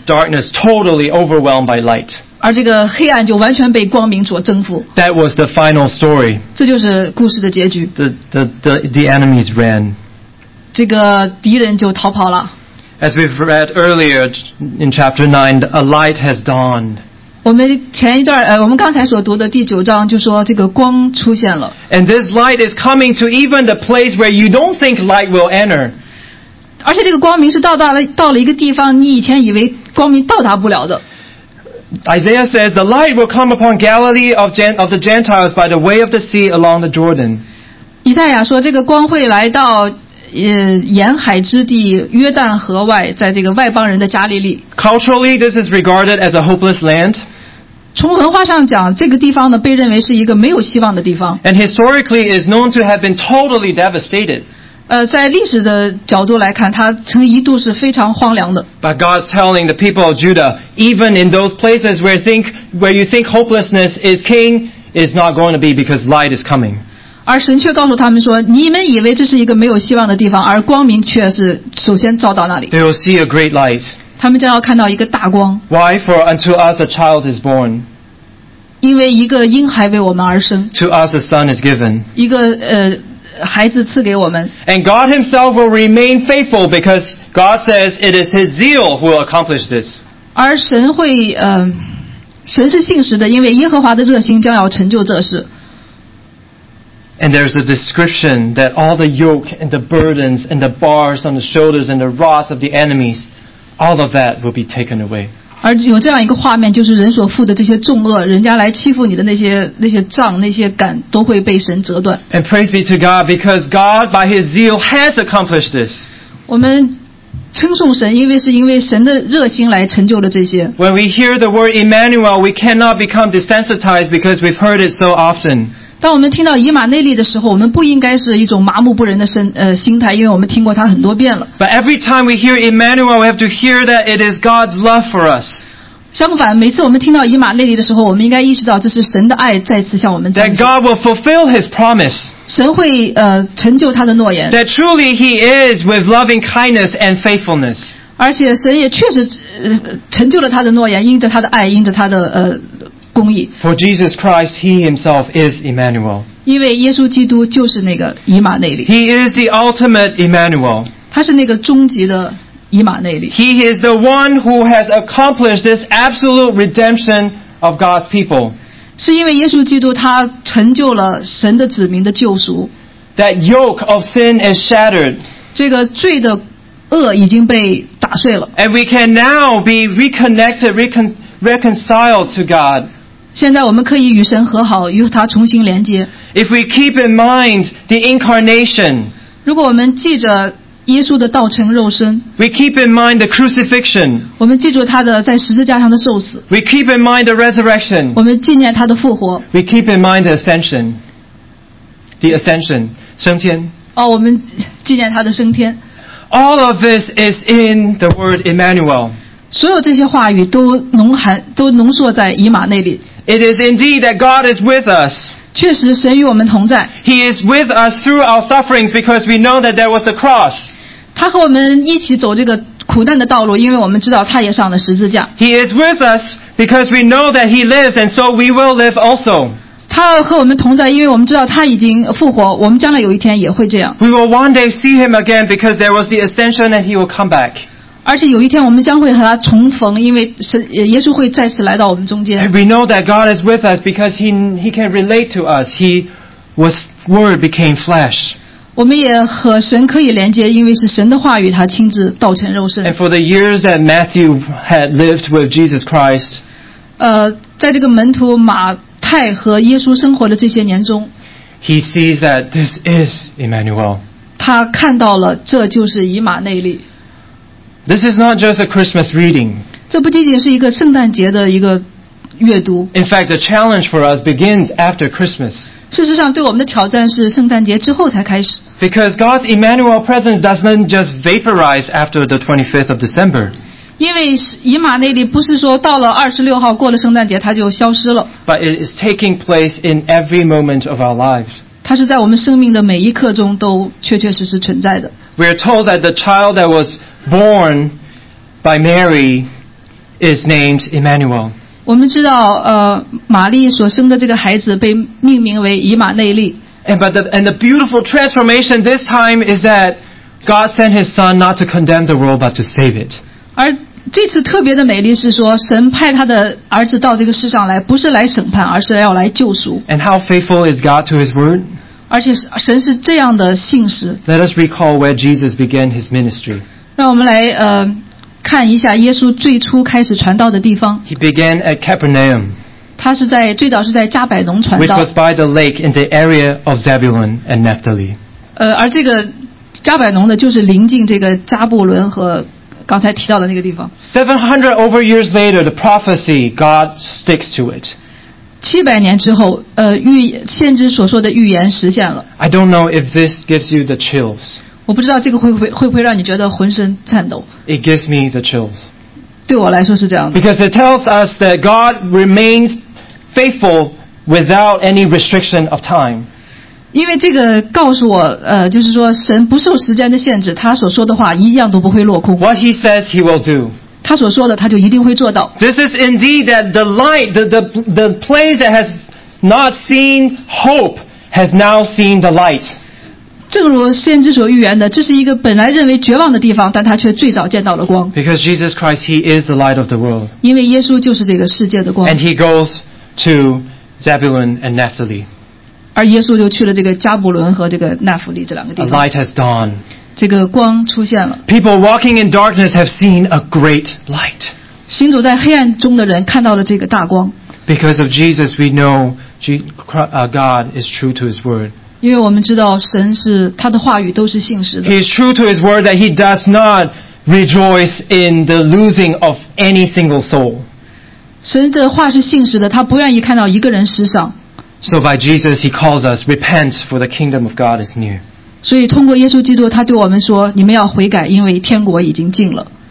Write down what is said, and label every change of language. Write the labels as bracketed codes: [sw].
[en] Darkness totally overwhelmed by light. [zh] 而这个黑暗就完全被光明所征服。 [en] That was the final story. [zh] 这就是故事的结局。 [en] The enemies ran. [zh] 这个敌人就逃跑了。 [en] As we've read earlier in chapter 9, a light has dawned. [zh] 我们前一段我们刚才所读的第九章就说这个光出现了。 [en] And this light is coming to even the place where you don't think light will enter. [zh] 而且这个光明是到了一个地方你以前以为光明到达不了的。 [en] Isaiah says, the light will come upon Galilee of the Gentiles by the way of the sea along the Jordan. [zh] 以赛亚说这个光会来到沿海之地约旦河外，在这个外邦人的加利利。 [en] Culturally, this is regarded as a hopeless land. [zh] 从文化上讲，这个地方呢被认为是一个没有希望的地方。 [en] And historically, it is known to have been totally devastated. [zh] 在历史的角度来看，它曾一度是非常荒凉的。 [en] But God's telling the people of Judah, even in those places where you think hopelessness is king, is not going to be because light is coming. [zh] 而神却告诉他们说，你们以为这是一个没有希望的地方，而光明却是首先照到那里。 [en] They will see a great light. [zh] 他们将要看到一个大光。 [en] Why? For unto us a child is born. [zh] 因为一个婴孩为我们而生。 [en] To us a son is given. [zh] 一个孩子赐给我们。 [en] And God himself will remain faithful because God says it is his zeal who will accomplish this. [zh] 而神会神是信实的，因为耶和华的热心将要成就这事。 [en] And there's a description that all the yoke and the burdens and the bars on the shoulders and the rods of the enemies, all of that will be taken away. [zh] 而有这样一个画面，就是人所负的这些重轭，人家来欺负你的那些杖、那些杆，都会被神折断。 [en] And praise be to God, because God, by His zeal, has accomplished this. [zh] 我们称颂神，因为是因为神的热心来成就了这些。 [en] When we hear the word Emmanuel, we cannot become desensitized because we've heard it so often. [zh] 当我们听到以马内利的时候，我们不应该是一种麻木不仁的心态，因为我们听过他很多遍了。 [en] But every time we hear Emmanuel, we have to hear that it is God's love for us. [zh] 相反，每次我们听到以马内利的时候，我们应该意识到这是神的爱再次向我们彰显。 [en] That God will fulfill His promise. [zh] 神会成就他的诺言。 [en] That truly he is with loving kindness and faithfulness. [zh] 而且神也确实成就了他的诺言，因着他的爱，因着他的公义。 [en] For Jesus Christ, he himself is Emmanuel. [zh] 因为耶稣基督就是那个以马内利。 [en] He is the ultimate Emmanuel. [zh] 他是那个终极的以马内利。 [en] He is the one who has accomplished this absolute redemption of God's people. [zh] 是因为耶稣基督他成就了神的子民的救赎。 [en] That yoke of sin is shattered. [zh] 这个罪的轭已经被打碎了。 [en] And we can now be reconnected, reconciled to God. [zh] 现在我们可以与神和好，与他重新连接。 [en] If we keep in mind the incarnation, [zh] 如果我们记着耶稣的道成肉身。 [en] We keep in mind the crucifixion. [zh] 我们记住他的在十字架上的受死。 [en] We keep in mind the resurrection. [zh] 我们纪念他的复活。 [en] We keep in mind the ascension. The ascension, [zh] 升天。哦，我们纪念他的升天。 [en] All of this is in the word Emmanuel. [zh] 所有这些话语都浓缩在以马内利。 [en] It is indeed that God is with us. [zh] 确实神与我们同在。 [en] He is with us through our sufferings because we know that there was a cross. [zh] 他和我们一起走这个苦难的道路，因为我们知道他也上了十字架。 [en] He is with us because we know that he lives, and so we will live also. [zh] 他和我们同在，因为我们知道他已经复活，我们将来有一天也会这样。 [en] We will one day see him again because there was the ascension, and he will come back. [zh] 而且有一天我们将会和他重逢，因为耶稣会再次来到我们中间。 [en] We know that God is with us because he can relate to us. He was word became flesh. [zh] 我们也和神可以连接，因为是神的话语，他亲自道成肉身。 [en] And for the years that Matthew had lived with Jesus Christ, [zh] 在这个门徒马太和耶稣生活的这些年中 [en] ，He sees that this is Emmanuel. [zh] 他看到了，这就是以马内利。 [en] This is not just a Christmas reading. [zh] 这不仅仅是一个圣诞节的一个阅读。 [en] In fact, the challenge for us begins after Christmas. [zh] 事实上，对我们的挑战是圣诞节之后才开始。 [en] Because God's Emmanuel presence doesn't just vaporize after the 25th of December. [zh] 因为以马内利不是说到了二十六号过了圣诞节他就消失了。 [en] But it is taking place in every moment of our lives. [zh] 它是在我们生命的每一刻中都确确实实存在的。 [en] We are told that the child that was born by Mary is named Emmanuel. [zh] 我们知道，玛丽所生的这个孩子被命名为以马内利。 [en] And the beautiful transformation this time is that God sent His Son not to condemn the world but to save it. [zh] 而这次特别的美丽是说，神派他的儿子到这个世上来，不是来审判，而是要来救赎。 [en] And how faithful is God to His word? [zh] 而且神是这样的信实。 [en] Let us recall where Jesus began His ministry. [zh] 让我们来看一下耶稣最初开始传道的地方。 [en] He began at Capernaum. [zh] 他是在最早是在加百农传道。 [en] Which was by the lake in the area of Zebulun and Naphtali. [zh] 而这个加百农呢，就是临近这个加布伦和刚才提到的那个地方。 [en] 700 over years later, the prophecy God sticks to it. [zh] 700年之后，先知所说的预言实现了。 [en] I don't know if this gives you the chills. [zh] 我不知道这个会不会让你觉得浑身颤抖。 [en] It gives me the chills. [zh] 对我来说是这样的。 [en] Because it tells us that God remains faithful without any restriction of time. [zh] 因为这个告诉我，就是说神不受时间的限制，他所说的话一样都不会落空。 [en] What he says, he will do. [zh] 他所说的，他就一定会做到。 [en] This is indeed that the light, the place that has not seen hope has now seen the light. [zh] 正如先知所预言的，这是一个本来认为绝望的地方，但他却最早见到了光。 [en] Because Jesus Christ, He is the light of the world. [zh] 因为耶稣就是这个世界的光。 [en] And He goes to Zebulun and Naphtali. [zh] 而耶稣就去了这个加布伦和这个纳弗利这两个地方。 [en] A light has dawned. [zh] 这个光出现了。 [en] People walking in darkness have seen a great light. [zh] 行走在黑暗中的人看到了这个大光。 [en] Because of Jesus, we know God is true to His word. [zh] 因为我们知道神是他的话语都是信实的。 [en] He is true to his word that he does not rejoice in the losing of any single soul. [zh] 神的话是信实的，他不愿意看到一个人失丧。 [en] So by Jesus, he calls us, repent, for the kingdom of God is near. [zh] 所以通过耶稣基督，他对我们说，你们要悔改，因为天国已经近了。